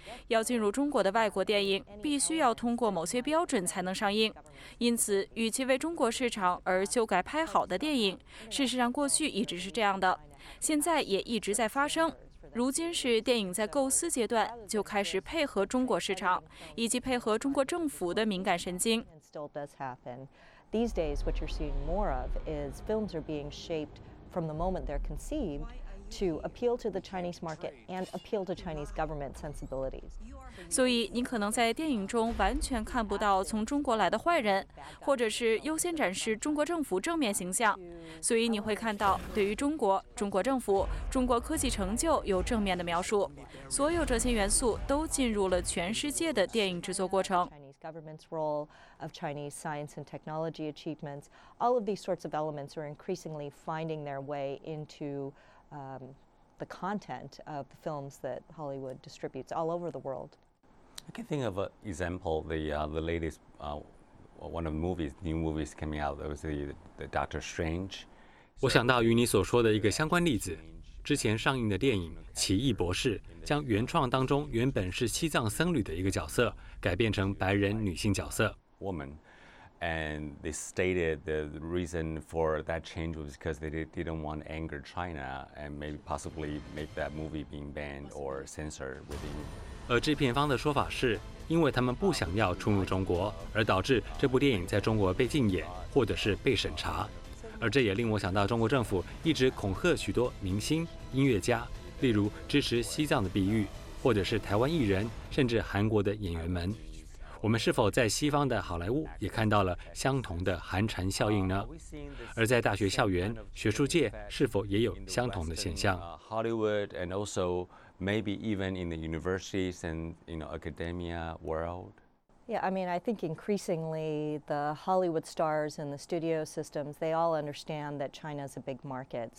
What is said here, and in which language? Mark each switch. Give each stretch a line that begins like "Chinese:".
Chinese: 要进入中国的外国电影必须要通过某些标准才能上映，因此与其为中国市场而修改拍好的电影，事实上过去一直是这样的，现在也一直在发生。如今是电影在构思阶段就开始配合中国市场以及配合中国政府的敏感神经。
English: These days, what you're seeing more of is films are being shaped from the moment they're conceived to appeal to the Chinese market and appeal to Chinese government sensibilities.
Chinese: 所以你可能在电影中完全看不到从中国来的坏人，或者是优先展示中国政府正面形象。所以你会看到对于中国、中国政府、中国科技成就有正面的描述。所有这些元素都进入了全世界的电影制作过程。
English: Government's role of Chinese science and technology achievements, all of these sorts of elements are increasingly finding their way into the content of the films that Hollywood distributes all over the world. I can think of an example, the latest, one of the movies, new movies coming out, that was the Doctor Strange.
Chinese: 我想到与你所说的一个相关例子，之前上映的电影《奇异博士》将原创当中原本是西藏僧侣的一个角色改变成白人女性角色。
English: Woman, and they stated the reason for that change was because they didn't want to anger China and maybe possibly make that movie being banned or censored within.
Chinese: 而制片方的说法是，因为他们不想要触怒中国，而导致这部电影在中国被禁演或者是被审查。而这也令我想到中国政府一直恐吓许多明星、音乐家，例如支持西藏的碧玉，或者是台湾艺人，甚至韩国的演员们。我们是否在西方的好莱坞也看到了相同的寒蝉效应呢？而在大学校园、学术界是否也有相同的现象
English: ？Hollywood and also maybe even in the universities and you know academia world. Yeah, I mean, I think increasingly the Hollywood stars and the studio systems, they all understand that China is a big market.